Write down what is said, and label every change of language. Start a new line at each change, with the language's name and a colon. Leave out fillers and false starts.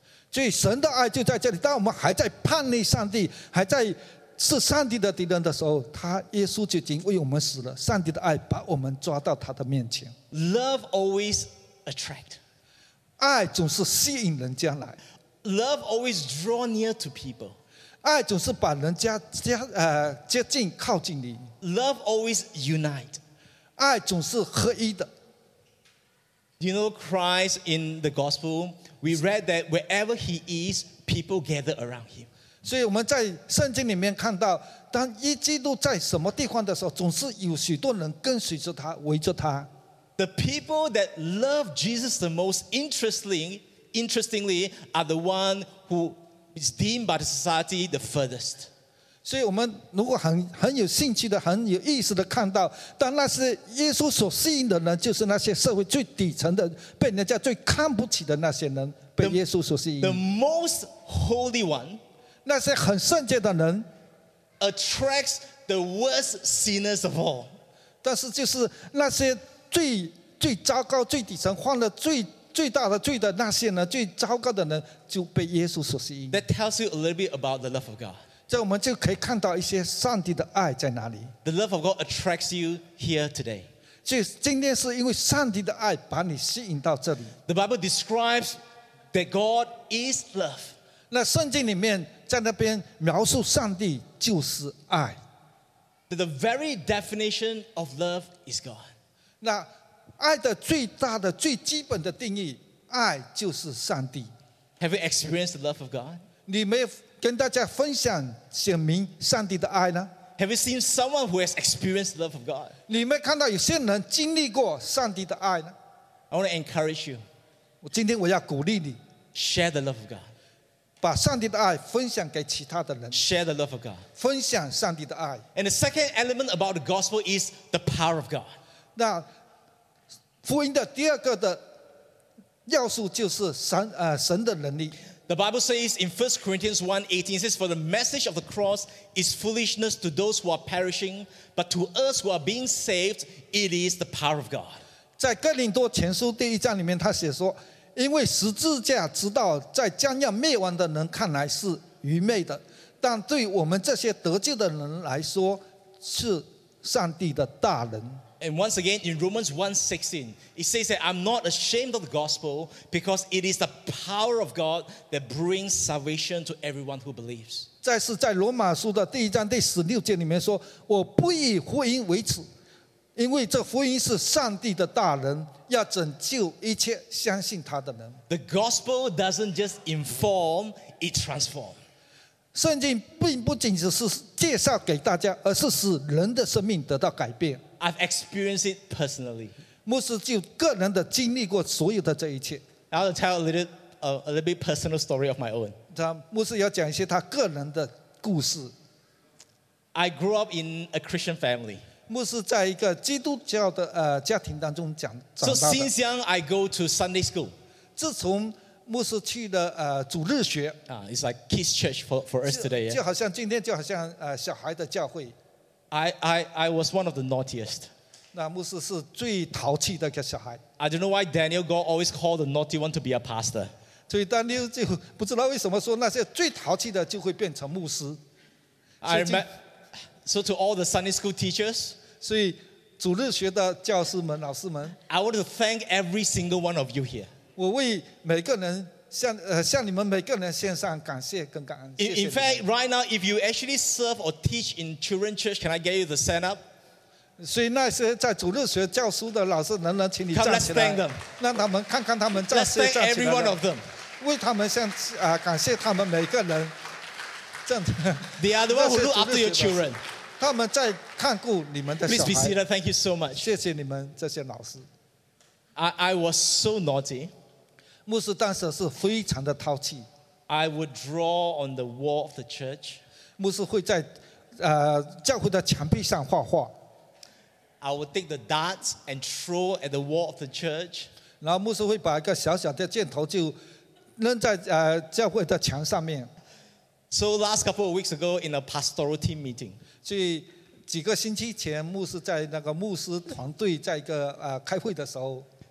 Chinese: 所以神的爱就在这里，当我们还在叛逆上帝，还在是上帝的敌人的时候，他耶稣就已经为我们死了，上帝的爱把我们抓到他的面前。
English: Love always attracts.
Chinese: 爱总是吸引人家来。
English: Love always draws near to people.
Chinese: 爱总是把人家接近靠近你。
English: Love always unites.
Chinese: 爱总是合一的。
English: You know Christ in the gospel, we read that wherever he is, people gather around him.
Chinese: 所以我们在圣经里面看到，当一基督在什么地方的时候，总是有许多人跟随着他，围着他。
English: The people that love Jesus the most, interestingly, are the one who is deemed by the society the furthest.
Chinese: 所以我们如果很有兴趣的、很有意思的看到，当那些耶稣所吸引的人，就是那些社会最底层的、被人家最看不起的那些人，被耶稣所吸引。
English: The most holy one.
Chinese: 那些很圣洁的人
English: attracts the worst sinners of all.
Chinese: 但是就是那些最最糟糕、最底层、犯了最最大的罪的那些人，最糟糕的人就被耶稣所吸引。
English: That tells you a little bit about the love of God.
Chinese: 这我们就可以看到一些上帝的爱在哪里。
English: The love of God attracts you here today.
Chinese: 就今天是因为上帝的爱把你吸引到这里。
English: The Bible describes that God is love.
Chinese: 那圣经里面。在那边描述上帝就是爱。
English: The very definition of love is God.
Chinese: 那爱的最大的、最基本的定义，爱就是上帝。
English: Have you experienced the love of God?
Chinese: 你没有跟大家分享显明上帝的爱呢？
English: Have you seen someone who has experienced the love of God?
Chinese: 你没看到有些人经历过上帝的爱呢？
English: I want to encourage you.
Chinese: 今天我要鼓励你。
English: Share the love of God.
Chinese: 把上帝的爱分享给其他的人。
English: Share the love of God.
Chinese: 分享上帝的爱。
English: And the second element about the gospel is the power of God.
Chinese: 那福音的第二个的要素就是神的能力。
English: The Bible says in 1 Corinthians 1:18, it says, For the message of the cross is foolishness to those who are perishing, but to us who are being saved, it is the power of God.
Chinese: 在哥林多前书第一章里面他写说，因为十字架直到在将要灭亡的人看来是愚昧的，但对我们这些得救的人来说是上帝的大能。
English: And once again in Romans 1:16 it says that I'm not ashamed of the gospel because it is the power of God that brings salvation to everyone who believes.
Chinese: 再是在罗马书的第一章第十六节里面说，我不以福音为耻，因为这福音是上帝的大能，要拯救一切相信他的人。
English: The gospel doesn't just inform, it transforms.
Chinese: 圣经并不仅只是介绍给大家，而是使人的生命得到改变。
English: I've experienced it personally.
Chinese: 牧师就个人的经历过所有的这一切。
English: I'll tell a little bit personal story of my own.
Chinese: 牧师要讲一些他个人的故事。
English: I grew up in a Christian family.
Chinese: 牧师在一个基督教的家庭当中长大的。
English: So since young, I go to Sunday school.
Chinese: 自从牧师去了主日学。
English: It's like kids church for us today.
Chinese: 就好像今天就好像小孩的教会。
English: I was one of the naughtiest.
Chinese: 那牧师是最淘气的一个小孩。
English: I don't know why Daniel God always called the naughty one to be a pastor.
Chinese: 所以 Daniel 就不知道为什么说那些最淘气的就会变成牧师。
English: I remember. So to all the Sunday school teachers,
Chinese: 所以主日学的教师们、老师们
English: I want to thank every single one of you here.
Chinese: 我为每个人向你们每个人献上感谢跟感恩。
English: In fact, right now, if you actually serve or teach in children's church, can I get you the stand up?
Chinese: 所以那些在主日学教书的老师，能不能请你站起
English: 来？Come, let's thank them.
Chinese: 让他们看看他们站起来。
English: Let's thank every one of them.
Chinese: 为他们向感谢他们每个人。
English: They are the ones who look after your children. Please be seated. Thank you so much.
Chinese: 谢谢你们这些老师。
English: I was so naughty.
Chinese: 牧师当时是非常的淘气。
English: I would draw on the wall of the church.
Chinese: 牧师会在教会的墙壁上画画。
English: I will take the darts and throw at the wall of the church.
Chinese: 然后牧师会把一个小小的箭头就扔在教会的墙上面。
English: So last couple of weeks ago in a pastoral team meeting.
Chinese: 所以几个星期前，牧师在那个牧师团队在一个开会的时候。